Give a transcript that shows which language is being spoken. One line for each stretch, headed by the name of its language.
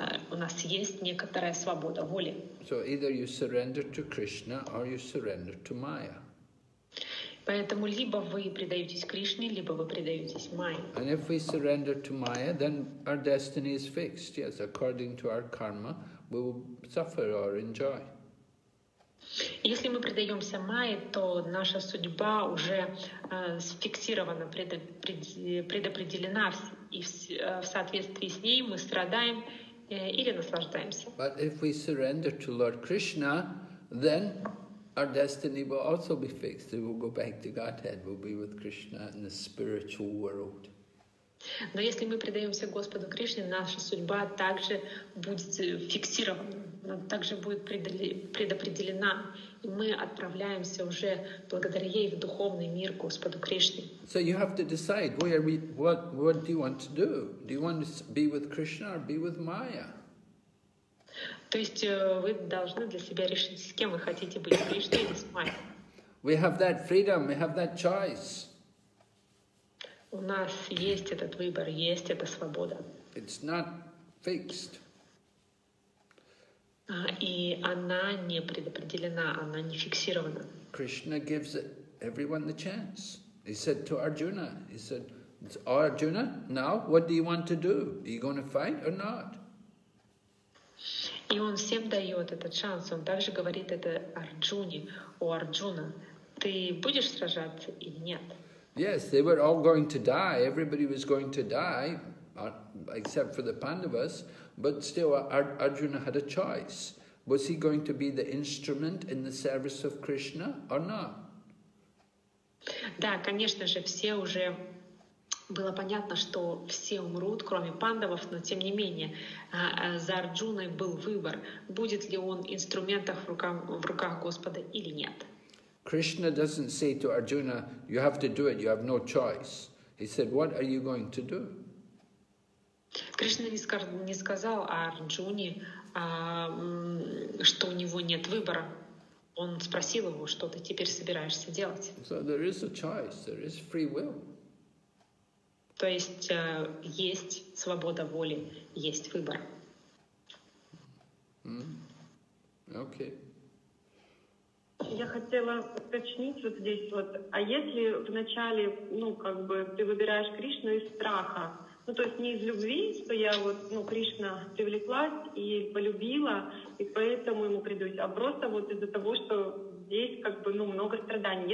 Russian: У нас есть некоторая свобода воли.
English: So either you surrender to Krishna or you surrender to Maya.
Russian: Поэтому либо вы предаетесь Кришне, либо вы предаетесь Майе.
English: And if we surrender to Maya, then our destiny is fixed. Yes, according to our karma, we will suffer or enjoy.
Russian: Если мы предаемся Майе, то наша судьба уже сфиксирована, предопределена, и в соответствии с ней мы страдаем или наслаждаемся.
English: But if we surrender to Lord Krishna, then our destiny will also be fixed. We will go back to Godhead. We'll be with Krishna in the spiritual world.
Russian: Но если мы предаемся Господу Кришне, наша судьба также будет фиксирована, также будет предопределена, и мы отправляемся уже благодаря ей в духовный мир Господу Кришне.
English: So you have to decide where we, what do you want to do? Do you want to be with Krishna or be with Maya?
Russian: То есть вы должны для себя решить, с кем вы хотите быть, Кришна или с Майей.
English: We have that freedom, we have that choice.
Russian: У нас есть этот выбор, есть эта свобода.
English: It's not fixed.
Russian: И она не предопределена, она не фиксирована.
English: Krishna gives everyone the chance. He said to Arjuna, he said, Arjuna, now what do you want to do? Are you going to fight or not?
Russian: И он всем дает этот шанс. Он также говорит это Арджуне. О, Арджуна, ты будешь сражаться или нет?
English: Yes, they were all going to die. Everybody was going to die, except for the Pandavas. But still, Arjuna had a choice. Was he going to be the instrument in the service of Krishna or not?
Russian: Да, конечно же, все уже... Было понятно, что все умрут, кроме пандавов, но тем не менее, за Арджуной был выбор, будет ли он инструментом в руках Господа или нет.
English: Krishna doesn't say to Arjuna, you have to do it, you have no choice. He said, what are you going to do?
Russian: Кришна не сказал Арджуне, что у него нет выбора. Он спросил его, что ты теперь собираешься делать.
English: So there is a choice, there is free will.
Russian: То есть есть свобода воли, есть выбор. Окей. Я хотела уточнить вот здесь вот, а если вначале, ну, как бы, ты выбираешь Кришну из страха, ну, то есть не из любви, что я вот, ну, Кришна привлеклась и полюбила, и поэтому ему предаюсь, а просто вот из-за того, что здесь, как бы, ну, много страданий.